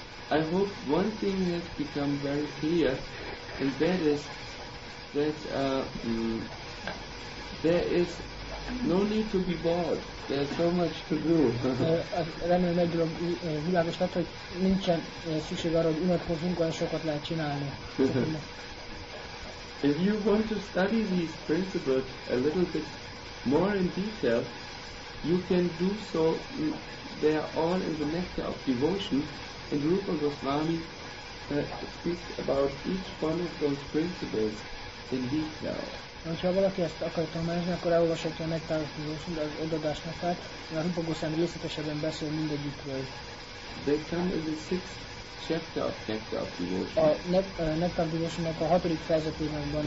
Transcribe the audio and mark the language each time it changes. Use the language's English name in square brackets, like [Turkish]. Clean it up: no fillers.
[English] I hope one thing has become very clear, and that is that there is no need to be bored. There's so much to do. [Hungarian] Remélem egy dolog világos lett, hogy nincsen szükség arra, hogy unatkozunk, olyan sokat lehet csinálni. [English] If you want to study these principles a little bit more in detail, you can do so. They are all in the Nectar of Devotion, and Rupa Goswami speaks about each one of those principles in detail. [Hungarian] Ha valaki ezt akar tanulni, akkor elolvashatja a Nectar of Devotion, az odaadás naptárát, mert Rupa Goswami részletesebben beszél mindegyikről. [English] They come in the six chapter of nectar of devotion. [Hungarian] A nectar devotionnak a hatodik fejezetében van.